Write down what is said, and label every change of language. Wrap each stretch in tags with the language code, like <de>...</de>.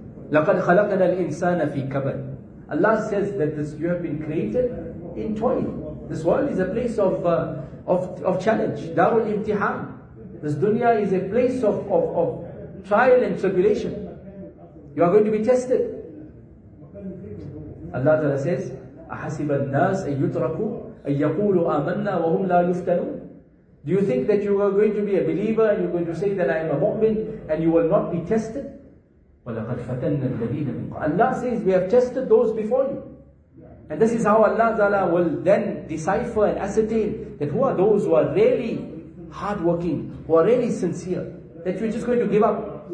<ar>لَقَدْ خَلَقَنَا الْإِنسَانَ فِي كَبَدٍ.</ar> <en>Allah says that this, you have been created in toil. This world is a place of challenge, darul imtihan. This dunya is a place of trial and tribulation. You are going to be tested. Allah Ta'ala says,</en> <ar>أَحَسِبَ النَّاسَ أَن يُتْرَكُوا أَن يَقُولُوا آمَنَّا وَهُمْ لَا يُفْتَنُونَ.</ar> <en>Do you think that you are going to be a believer and you're going to say that I am a mu'min and you will not be tested?</en> <ar>وَلَقَدْ فَتَنَّ الَّذِينَ مِنْ قَبْلِكُمْ.</ar> <en>Allah says, we have tested those before you. And this is how Allah Ta'ala will then decipher and ascertain that who are those who are really hardworking, who are really sincere, that you're just going to give up.</en>